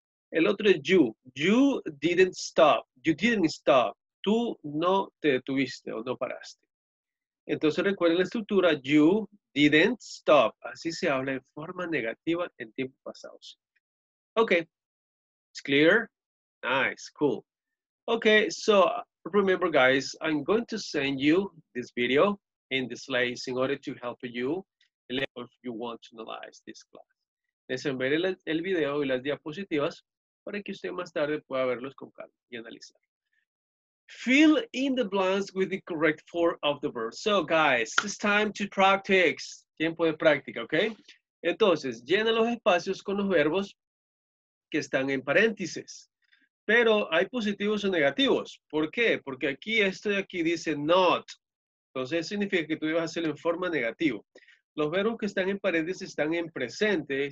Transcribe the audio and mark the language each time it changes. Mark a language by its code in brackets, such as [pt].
[es] El otro es [en] you. You didn't stop. You didn't stop. [es] Tú no te detuviste o no paraste. Entonces recuerden la estructura, [en] you didn't stop. [es] Así se habla en forma negativa en tiempo pasado. [en] Ok, it's clear? Nice, cool. Ok, so remember guys, I'm going to send you this video in this place in order to help you if you want to analyze this class. [es] Dejen ver el video y las diapositivas para que usted más tarde pueda verlos con calma y analizar. [en] Fill in the blanks with the correct form of the verb. So, guys, it's time to practice. [es] Tiempo de práctica, [en] ¿ok? [es] Entonces, llena los espacios con los verbos que están en paréntesis. Pero hay positivos o negativos. ¿Por qué? Porque aquí, esto de aquí dice not. Entonces, significa que tú debes hacerlo en forma negativa. Los verbos que están en paréntesis están en presente.